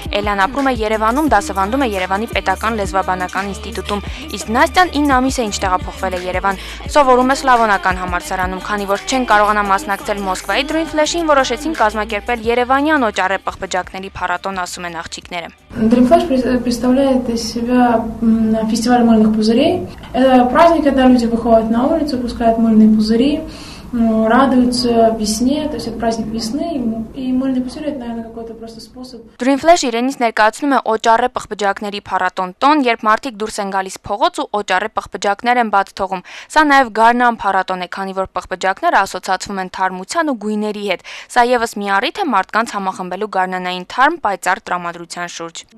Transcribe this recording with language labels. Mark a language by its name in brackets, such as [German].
[Armenian] Էլան ապրում է Երևանում, դասավանդում է Երևանի պետական լեզվաբանական ինստիտուտում, իսկ Նաստյան 9 ամիս է ինչ տեղափոխվել է Երևան։ Սովորում է Սլավոնական համալսարանում, քանի որ չեն կարողանա մասնակցել Մոսկվայի Dream Flash-ին, որոշեցին կազմակերպել Երևանյան օճառե պղպջակների փառատոն, ասում են աղջիկները։ [Russian] Dream Flash представляет из себя фестиваль мыльных пузырей. Это праздник, когда люди выходят на улицу, пускают мыльные пузыри, радуются весне, то есть это праздник весны, и мыльные пузыри это, наверное, какой-то просто способ. [Armenian] Dream Flash իրենից ներկայացնում է օճառե պղպջակների փառատոն, տոն, երբ մարդիկ դուրս են գալիս փողոց ու օճառե պղպջակներ են բաց թողում։ Սա նաև Գարնան փառատոն է, քանի որ պղպջակները ասոցացվում են թարմության ու գույների հետ։ Սա եւս մի առիթ է մարդկանց համախմբելու Գարնանային թարմ պայծառ տրամադրության շուրջ։